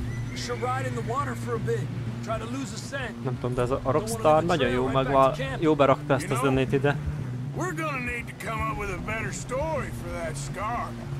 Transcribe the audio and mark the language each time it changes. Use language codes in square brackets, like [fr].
[en] We should ride in the water for a bit. Try to lose a scent. [hu] Nem tudom, de ez a Rockstar nagyon jó jó berakta ezt a zenét ide. [en] We're gonna need to come up with a better story for that scar.